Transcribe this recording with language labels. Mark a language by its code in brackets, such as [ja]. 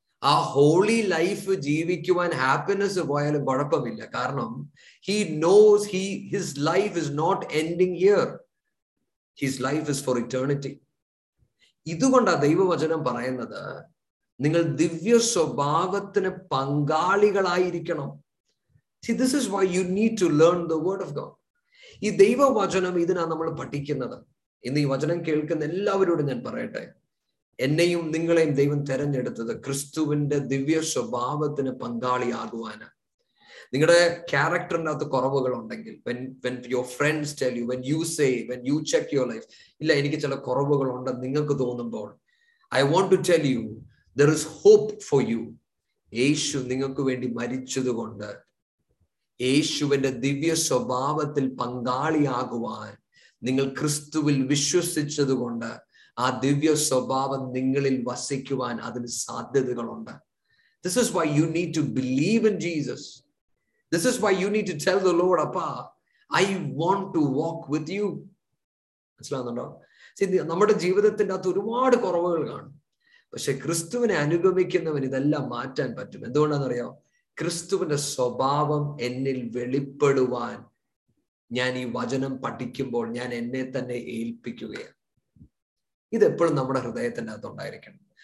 [ml] ആ holy life ജീവിക്കുവാൻ happiness പോയാലും കുഴപ്പമില്ല. കാരണം [en] He knows his life is not ending here, his life is for eternity. [ml] ഇതുകൊണ്ടാ ദൈവവചനം പറയുന്നത്, നിങ്ങൾ ദിവ്യ സ്വഭാവത്തിന് പങ്കാളികളായിരിക്കണം. [en] See, this is why you need to learn the word of God. [ml] ഈ ദൈവവചനം ഇതിനാ നമ്മൾ പഠിക്കുന്നത്. ഇന്ന് ഈ വചനം കേൾക്കുന്ന എല്ലാവരോടും ഞാൻ പറയട്ടെ, എന്നെയും നിങ്ങളെയും ദൈവം തിരഞ്ഞെടുത്തത് ക്രിസ്തുവിന്റെ ദിവ്യ സ്വഭാവത്തിന് പങ്കാളിയാകുവാന്. നിങ്ങളുടെ ക്യാരക്ടറിനകത്ത് കുറവുകൾ ഉണ്ടെങ്കിൽ, [en] when your friends tell you, when you say, when you check your life, [ml] ഇല്ല എനിക്ക് ചില കുറവുകൾ ഉണ്ടെന്ന് നിങ്ങൾക്ക് തോന്നുമ്പോൾ, [en] I want to tell you, there is hope for you. [ml] യേശു നിങ്ങൾക്ക് വേണ്ടി മരിച്ചതുകൊണ്ട് യേശുവിന്റെ ദിവ്യ സ്വഭാവത്തിൽ പങ്കാളിയാകുവാൻ നിങ്ങൾ ക്രിസ്തുവിൽ വിശ്വസിച്ചതുകൊണ്ട് ആ ദിവ്യ സ്വഭാവം നിങ്ങളിൽ വസിക്കുവാൻ അതിന് സാധ്യതകളുണ്ട്. [en] This is why you need to believe in Jesus. This is why you need to tell the Lord, Appa, I want to walk with you. [ml] മനസ്സിലാകുന്നുണ്ടോ? See, നമ്മുടെ ജീവിതത്തിന്റെ അകത്ത് ഒരുപാട് കുറവുകൾ കാണും, പക്ഷെ ക്രിസ്തുവിനെ അനുഗമിക്കുന്നവൻ ഇതെല്ലാം മാറ്റാൻ പറ്റും. എന്തുകൊണ്ടാണെന്നറിയോ? ക്രിസ്തുവിന്റെ സ്വഭാവം എന്നിൽ വെളിപ്പെടുവാൻ ഞാൻ ഈ വചനം പഠിക്കുമ്പോൾ ഞാൻ എന്നെ തന്നെ ഏൽപ്പിക്കുകയാണ്. ഇതെപ്പോഴും നമ്മുടെ ഹൃദയത്തിൻ്റെ അകത്ത് ഉണ്ടായിരിക്കണം.